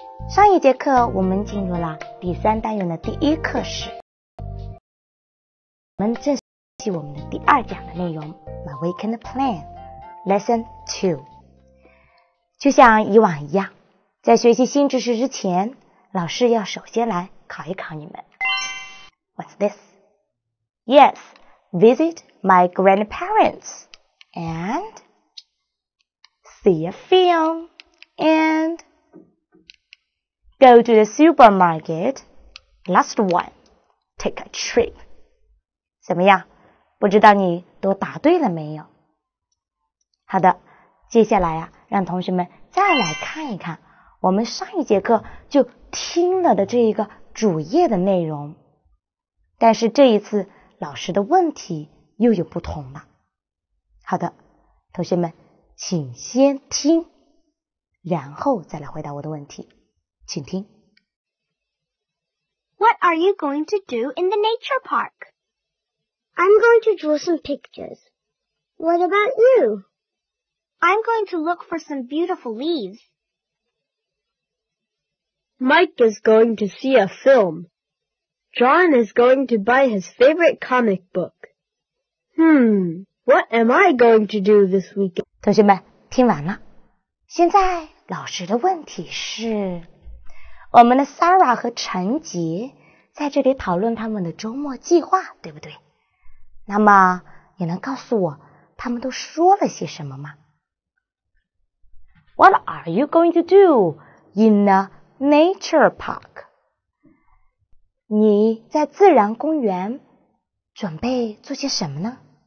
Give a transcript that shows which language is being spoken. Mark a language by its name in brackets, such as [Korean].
[Chinese] 上一节课我们进入了第三单元的第一课时，我们正式开启我们的第二讲的内容 [English] My Weekend Plan Lesson 2。 [Chinese] 就像以往一样，在学习新知识之前，老师要首先来考一考你们。 [English] What's this? Yes, visit my grandparents and see a film and go to the supermarket. Last one, take a trip. [Chinese] 怎么样？不知道你都答对了没有？好的，接下来啊，让同学们再来看一看我们上一节课就听了的这一个主页的内容。但是这一次老师的问题又有不同了。好的，同学们，请先听，然后再来回答我的问题。请听。 [English] What are you going to do in the nature park? I'm going to draw some pictures. What about you? I'm going to look for some beautiful leaves. Mike is going to see a film. John is going to buy his favorite comic book. What am I going to do this weekend? [Chinese] 同学们，听完了。现在老师的问题是，我们的 Sarah 和陈杰在这里讨论他们的周末计划，对不对？那么，你能告诉我他们都说了些什么吗？ [English] What are you going to do in the nature park? [Chinese] 你在自然公园准备做些什么呢？